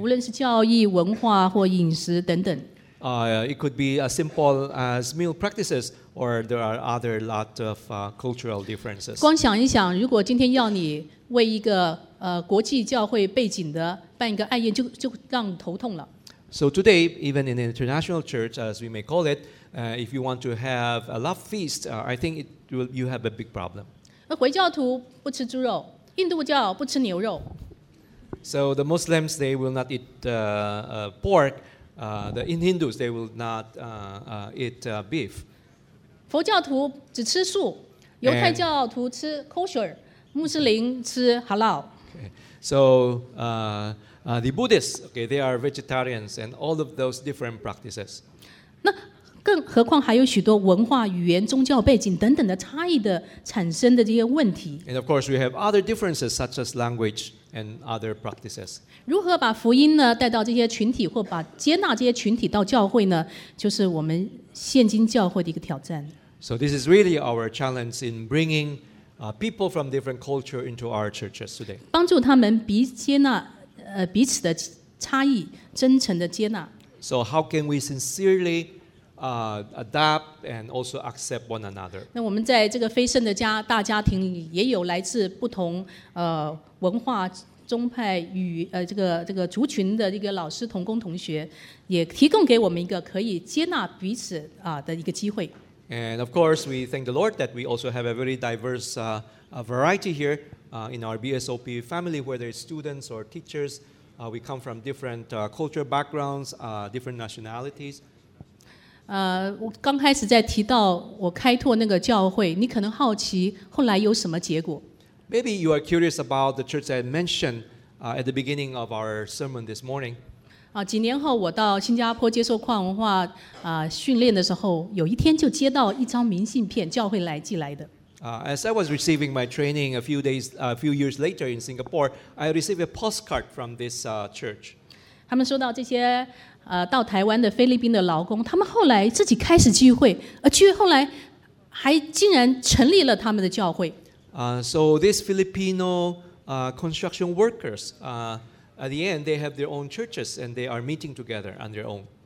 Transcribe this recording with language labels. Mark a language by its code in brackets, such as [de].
[zh] 无论是教义、文化或饮食等等。 [en] It could be as simple as meal practices, or there are other lot of cultural differences. [zh] 光想一想，如果今天要你为一个国际教会背景的办一个爱宴，就让你头痛了。 [en] So today, even in an international church, as we may call it, if you want to have a love feast, I think you have a big problem. [zh] 而回教徒不吃猪肉，印度教不吃牛肉。 [en] So the Muslims, they will not eat pork. The Hindus, they will not eat beef. [zh] 佛教徒只吃素，犹太教徒吃 kosher， 穆斯林吃 halal. [en] Okay. So the Buddhists, okay, they are vegetarians and all of those different practices. [zh] 那更何况还有许多文化、语言、宗教背景等等的差异的产生的这些问题。 [en] And of course, we have other differences such as language. And other practices. [zh] 如何把福音呢带到这些群体，或把接纳这些群体到教会呢？就是我们现今教会的一个挑战。 [en] So this is really our challenge in bringing people from different culture into our churches today. [zh] 帮助他们接纳彼此的差异，真诚的接纳。 [en] So how can we sincerely adapt and also accept one another? [zh] 那我们在这个非圣的大家庭里，也有来自不同文化宗派与这个族群的一个老师同工同学，也提供给我们一个可以接纳彼此的一个机会。 [en] And of course, we thank the Lord that we also have a very diverse variety here in our BSOP family, whether it's students or teachers. We come from different cultural backgrounds, different nationalities. [zh] 我刚开始在提到我开拓那个教会，你可能好奇后来有什么结果。 [en] Maybe you are curious about the church I mentioned at the beginning of our sermon this morning. [zh] 几年后我到新加坡接受跨文化训练的时候，有一天就接到一张明信片，教会来寄来的。 [en] As I was receiving my training a few years later in Singapore, I received a postcard from this church. [zh] 他们说到这些到台湾的菲律宾的劳工，他们后来自己开始聚会，而聚会后来还竟然成立了他们的教会。 [en] So these Filipino construction workers, at the end, they have their own churches and they are meeting together on their own.